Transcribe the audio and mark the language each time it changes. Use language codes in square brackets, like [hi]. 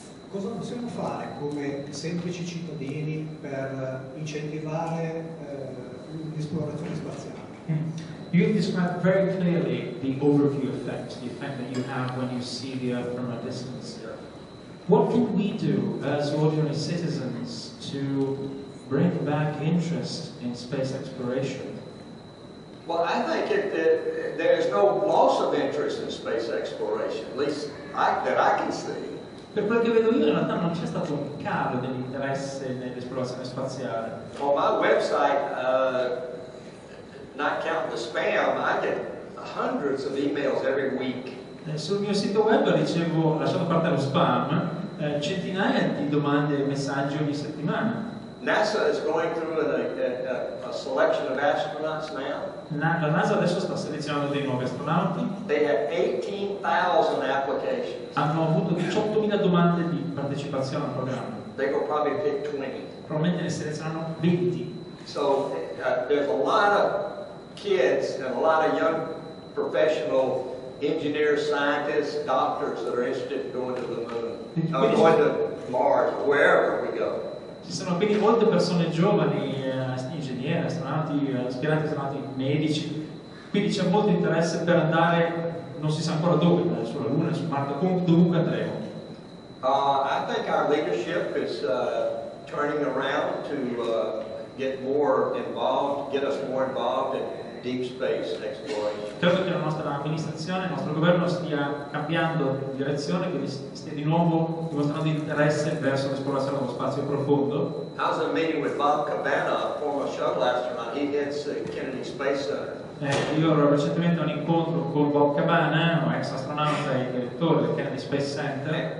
[it] Cosa possiamo fare come semplici cittadini per incentivare l'esplorazione spaziale? [en] You described very clearly the overview effect, the effect that you have when you see the Earth from a distance. What can we do as ordinary citizens to bring back interest in space exploration? Well, I think there is no loss of interest in space exploration, at least that I can see. [it] Per quello che vedo io, in realtà non c'è stato un calo dell'interesse nell'esplorazione spaziale. [en] On my website, not counting the spam, I get hundreds of emails every week. [it] Sul mio sito web ricevo, lasciando parte lo spam, centinaia di domande e messaggi ogni settimana. [en] NASA is going through a selection of astronauts now. [it] La NASA adesso sta selezionando dei nuovi astronauti. [en] They have 18,000 applications. [it] Hanno avuto 18,000 domande di partecipazione al programma. [en] They will probably pick 20. [it] Probabilmente ne selezionano 20. [en] So there's a lot of kids and a lot of young professional engineers, scientists, doctors that are interested in going to the moon. Quindi, I'm going to Mars, wherever we go. [it] Ci sono quindi molte persone giovani, ingegneri, astronauti, aspiranti astronauti, medici. Quindi c'è molto interesse per andare, non si sa ancora dove, sulla Luna, su Marte, dovunque andremo. [en] I think our leadership is turning around to get more involved, get us more involved in deep space exploration. [it] Credo che la nostra amministrazione, il nostro governo stia cambiando direzione, quindi stia di nuovo dimostrando interesse verso l'esplorazione dello spazio profondo. [en] How's the meeting with Bob Cabana, former shuttle astronaut? He heads Kennedy Space Center. [it] Io ero recentemente a un incontro con Bob Cabana, un ex astronauta e direttore del Kennedy Space Center.